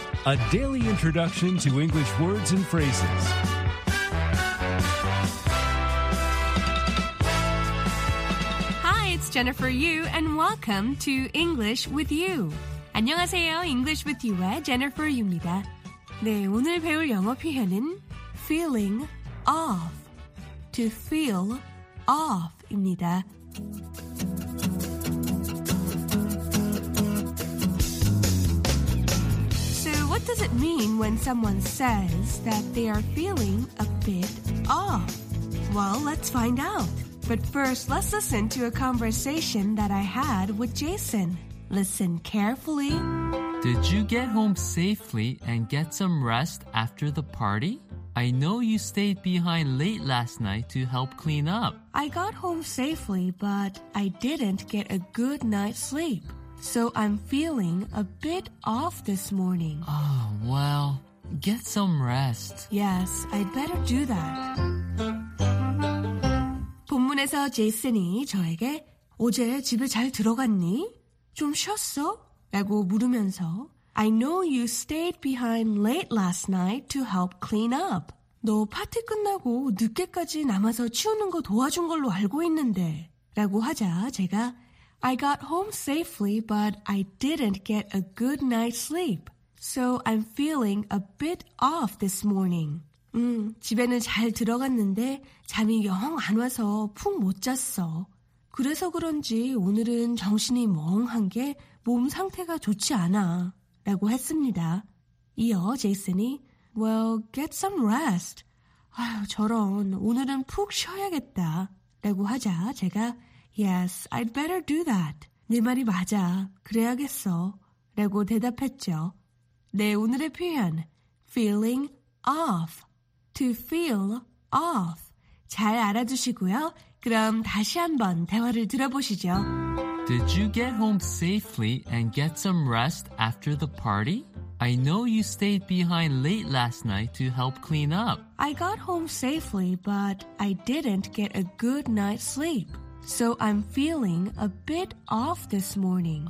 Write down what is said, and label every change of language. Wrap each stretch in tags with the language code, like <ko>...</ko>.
<en>A daily introduction to English words and phrases. Hi, it's Jennifer Yu, and welcome to English with you.</en> <ko>안녕하세요, English with you의 Jennifer Yu입니다. 네, 오늘 배울 영어 표현은</ko> <en>feeling off, to feel off</en> <ko>입니다.</ko> <en>What does it mean when someone says that they are feeling a bit off? Well, let's find out. But first, let's listen to a conversation that I had with Jason. Listen carefully. Did you get home safely and get some rest after the party? I know you stayed behind late last night to help clean up. I got home safely, but I didn't get a good night's sleep. So I'm feeling a bit off this morning. Oh, well, get some rest. Yes, I'd better do that.</en> <ko>본문에서 제이슨이 저에게 어제 집에 잘 들어갔니? 좀 쉬었어? 라고 물으면서</ko> <en>I know you stayed behind late last night to help clean up.</en> <ko>너 파티 끝나고 늦게까지 남아서 치우는 거 도와준 걸로 알고 있는데 라고 하자 제가</ko> <en>I got home safely, but I didn't get a good night's sleep. So I'm feeling a bit off this morning.</en> <ko>집에는 잘 들어갔는데 잠이 영 안 와서 푹 못 잤어. 그래서 그런지 오늘은 정신이 멍한 게 몸 상태가 좋지 않아. 라고 했습니다. 이어 제이슨이,</ko> <en>Well, get some rest.</en> <ko>아휴, 저런, 오늘은 푹 쉬어야겠다. 라고 하자 제가,</ko> <en>Yes, I'd better do that.</en> <ko>네 말이 맞아. 그래야겠어. 라고 대답했죠. 네, 오늘의 표현.</ko> <en>Feeling off. To feel off.</en> <ko>잘 알아두시고요. 그럼 다시 한번 대화를 들어보시죠.</ko> <en>Did you get home safely and get some rest after the party? I know you stayed behind late last night to help clean up. I got home safely, but I didn't get a good night's sleep. So I'm feeling a bit off this morning.</en>